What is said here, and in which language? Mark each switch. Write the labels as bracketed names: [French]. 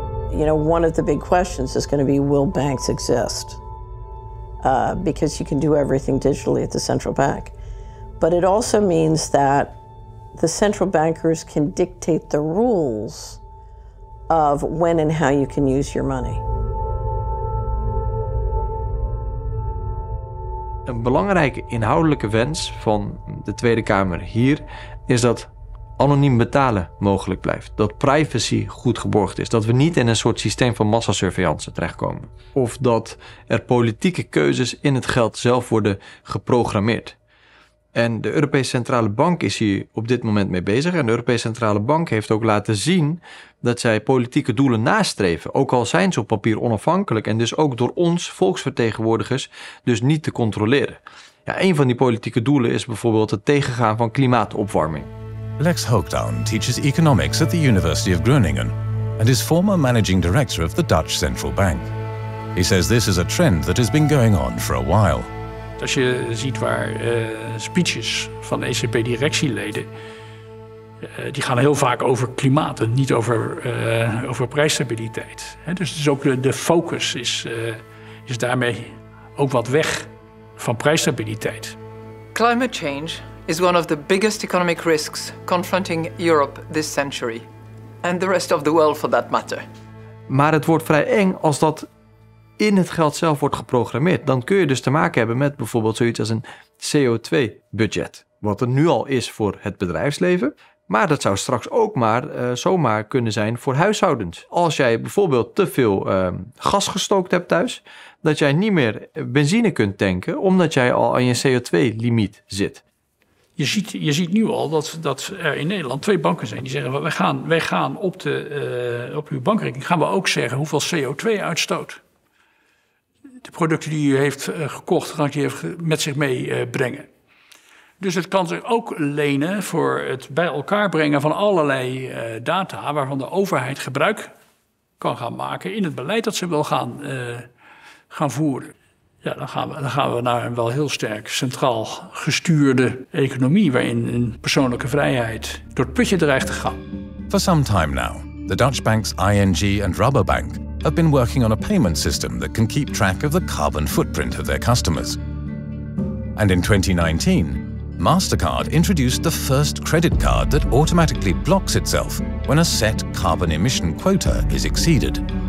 [English] You know, one of the big questions is going to be, will banks exist? Because you can do everything digitally at the central bank. But it also means that the central bankers can dictate the rules of when and how you can use your money. [Dutch] Een belangrijke inhoudelijke wens van de Tweede Kamer hier is dat anoniem betalen mogelijk blijft. Dat privacy goed geborgd is. Dat we niet in een soort systeem van massasurveillance terechtkomen. Of dat er politieke keuzes in het geld zelf worden geprogrammeerd. En de Europese Centrale Bank is hier op dit moment mee bezig. En de Europese Centrale Bank heeft ook laten zien dat zij politieke doelen nastreven. Ook al zijn ze op papier onafhankelijk en dus ook door ons volksvertegenwoordigers dus niet te controleren. Ja, een van die politieke doelen is bijvoorbeeld het tegengaan van klimaatopwarming. [English] Lex Hoogduin teaches economics at the University of Groningen and is former managing director of the Dutch Central Bank. He says this is a trend that has been going on for a while. [Dutch] Als je ziet waar speeches van ECB-directieleden, die gaan heel vaak over klimaat en niet over, over prijsstabiliteit. He, dus het is ook de focus is daarmee ook wat weg van prijsstabiliteit. [English] Climate change is one of the biggest economic risks confronting Europe this century. And the rest of the world for that matter. [Dutch] Maar het wordt vrij eng als dat in het geld zelf wordt geprogrammeerd. Dan kun je dus te maken hebben met bijvoorbeeld zoiets als een CO2-budget. Wat er nu al is voor het bedrijfsleven. Maar dat zou straks ook maar zomaar kunnen zijn voor huishoudens. Als jij bijvoorbeeld te veel gas gestookt hebt thuis, dat jij niet meer benzine kunt tanken, omdat jij al aan je CO2-limiet zit. Je ziet nu al dat er in Nederland twee banken zijn die zeggen, wij gaan op uw bankrekening gaan we ook zeggen hoeveel CO2 uitstoot. De producten die u heeft gekocht, gaan die met zich mee brengen. Dus het kan zich ook lenen voor het bij elkaar brengen van allerlei data waarvan de overheid gebruik kan gaan maken in het beleid dat ze wil gaan voeren. Ja, dan gaan we naar een wel heel sterk centraal gestuurde economie waarin een persoonlijke vrijheid door het putje dreigt te gaan. [English] For some time now, the Dutch banks ING and Rabobank have been working on a payment system that can keep track of the carbon footprint of their customers. And in 2019, Mastercard introduced the first credit card that automatically blocks itself when a set carbon emission quota is exceeded.